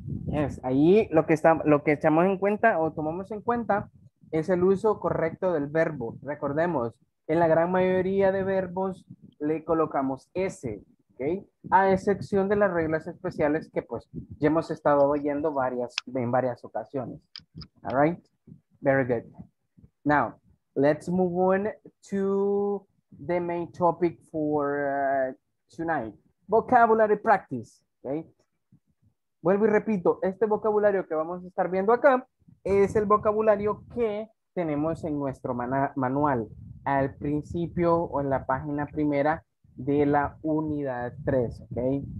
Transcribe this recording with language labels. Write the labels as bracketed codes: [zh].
[es] Yes, ahí lo que echamos en cuenta o tomamos en cuenta es el uso correcto del verbo. Recordemos, en la gran mayoría de verbos le colocamos S, okay, a excepción de las reglas especiales que pues ya hemos estado oyendo en varias ocasiones. [en] All right, very good. Now, let's move on to the main topic for tonight. Vocabulary practice, okay? [es] Vuelvo y repito, este vocabulario que vamos a estar viendo acá es el vocabulario que tenemos en nuestro manual al principio o en la página primera de la unidad 3, okay?